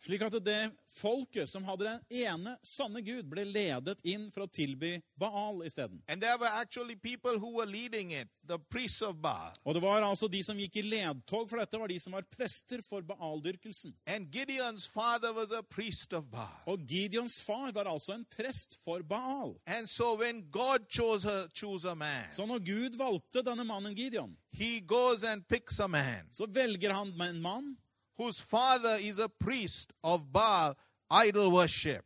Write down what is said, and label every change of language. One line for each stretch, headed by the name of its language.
Norwegian: Slik at det folket som hadde den ene sanne Gud ble ledet inn for å tilbe Baal I stedet.
English: And there were actually people who were leading it, the priests of Baal.
Norwegian: Og det var altså de som gikk I ledtog for dette, var de som var prester for Baal-dyrkelsen.
English: And Gideon's father was a priest of Baal.
Norwegian: Og Gideons far var altså en prest for Baal.
English: And so when God chose a man,
Norwegian: så når Gud valgte denne mannen Gideon,
English: he goes and picks a man.
Norwegian: Så velger han en mann
English: whose father is a priest of Baal idol worship.